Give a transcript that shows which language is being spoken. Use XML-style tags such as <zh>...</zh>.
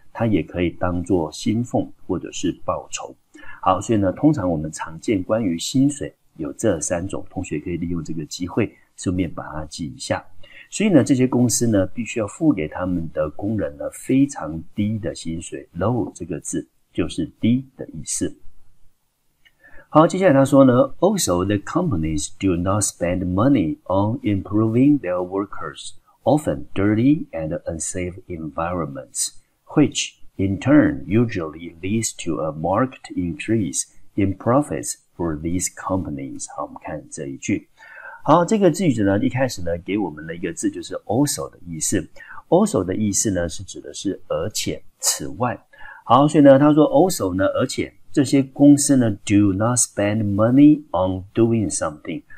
<zh>它也可以当作薪俸或者是报酬。好，所以呢，通常我们常见关于薪水有这三种，同学可以利用这个机会顺便把它记一下。所以呢，这些公司呢，必须要付给他们的工人呢非常低的薪水。 low 这个字就是低的意思。好，接下来他说呢</zh> <en>，Also the companies do not spend money on improving their workers, often dirty and unsafe environments, which in turn usually leads to a marked increase in profits for these companies。</en> <zh>好，我们看这一句。好，这个句子呢，一开始呢，给我们的一个字就是 also 的意思。 also 的意思呢，是指的是而且、此外。好，所以呢，他说 also 呢，而且这些公司呢 ，</zh> <en>do not spend money on doing something。</en>